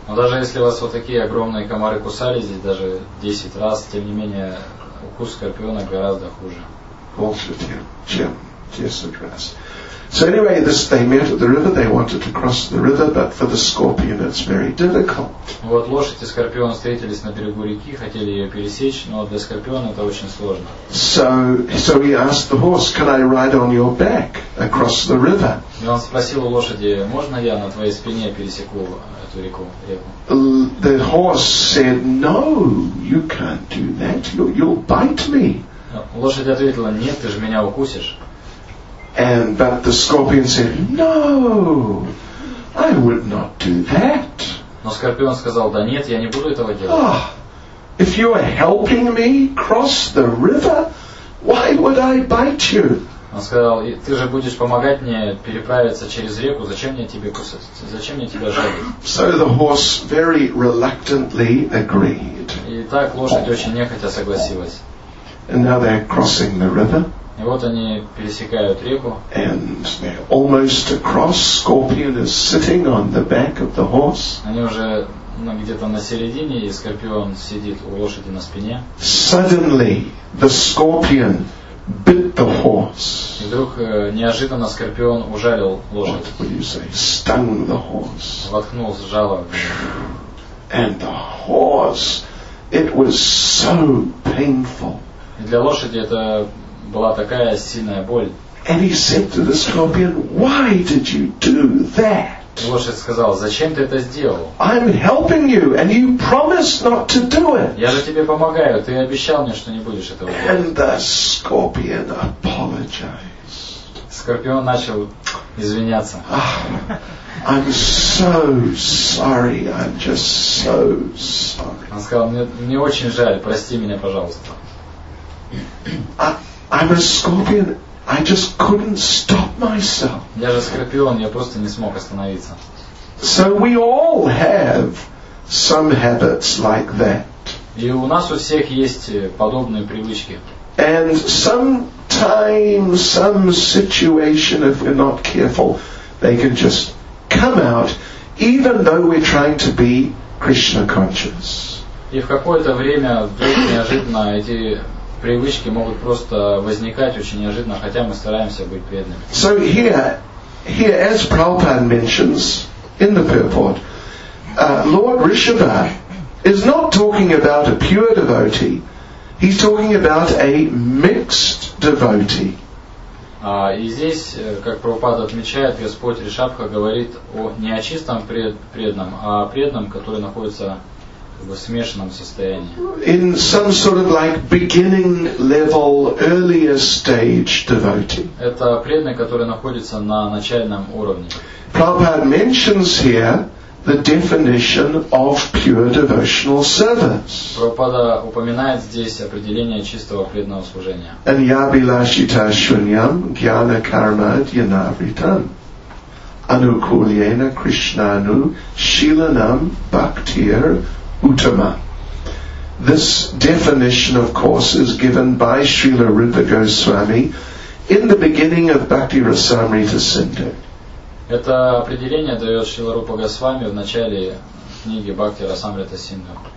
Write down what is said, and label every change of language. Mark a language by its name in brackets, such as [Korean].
[Russian] Но даже если вас вот такие огромные комары кусали здесь даже 10 раз, тем не менее укус скорпиона гораздо хуже. Больше чем 10 раз. [English] So anyway, they met at the river. They wanted to cross the river, but for the scorpion, it's very difficult. [Russian] Вот лошадь и скорпион встретились на берегу реки, хотели ее пересечь, но для скорпиона это очень сложно. [English] So he asked the horse, "Can I ride on your back across the river?" [Russian] И он спросил у лошади, можно я на твоей спине пересеку эту реку? [English] The horse said, "No, you can't do that. You'll bite me." [Russian] Лошадь ответила, нет, ты же меня укусишь. [English] But the scorpion said, "No, I would not do that." [Russian] Но скорпион сказал, да нет, я не буду этого делать. [English] Oh, if you are helping me cross the river, why would I bite you? [Russian] Он сказал, ты же будешь помогать мне переправиться через реку, зачем мне тебе кусать, зачем мне тебя жалеть? [English] So the horse very reluctantly agreed. [Russian] И так лошадь очень нехотя согласилась. [English] And now they're crossing the river. [Russian] И вот они пересекают реку. [English] And they're almost across. Scorpion is sitting on the back of the horse. [Russian] Они уже где-то на середине, и скорпион сидит у лошади на спине. [English] Suddenly, the scorpion bit the horse. [Russian] И вдруг неожиданно скорпион ужалил лошадь. [English] What would you say? Stung the horse. [Russian] Воткнул жало. [English] And the horse, it was so painful. [Russian] И для лошади это была такая сильная боль. [English] And he said to the scorpion, "Why did you do that?" [Russian] Лошадь сказала, зачем ты это сделал? [English] I'm helping you, and you promised not to do it. [Russian] Я же тебе помогаю, ты обещал мне, что не будешь этого делать. [English] And the scorpion apologized. [Russian] Скорпион начал извиняться. [English] I'm so sorry. I'm just so sorry. [Russian] Он сказал, мне очень жаль, прости меня, пожалуйста. [English] I'm a scorpion. I just couldn't stop myself. [Russian] Я же скорпион, я просто не смог остановиться. [English] So we all have some habits like that. [Russian] И у нас у всех есть подобные привычки. [English] And sometimes some situation, if we're not careful, they can just come out, even though we're trying to be Krishna conscious. [Russian] И в какое-то время вдруг неожиданно эти привычки могут просто возникать очень неожиданно, хотя мы стараемся быть преданными. [English] So here, as Prabhupada mentions in the purport, Lord Rishabha is not talking about a pure devotee. He's talking about a mixed devotee. [Russian] И здесь, как Прабхупада отмечает, Господь Ришабха говорит о не о чистом преданном, а о преданном, который находится в смешанном состоянии. [English] In some sort of like beginning level, earlier stage devotee. [Russian] Это преданный, который находится на начальном уровне. [English] Prabhupada mentions here the definition of pure devotional service. [Russian] Прабхупада упоминает здесь определение чистого преданного служения. [Sanskrit] Anyabhilashita shunyam jnana karma dhyanavritam anukulyena krishnanu shilanam bhaktir uttama. [English] This definition of course is given by Srila Rupa Goswami in the beginning of Bhakti Rasamrita Sindhu. [Russian] Это определение дает Шрила Рупа Госвами в начале книги Бхакти Расамрита Синдху.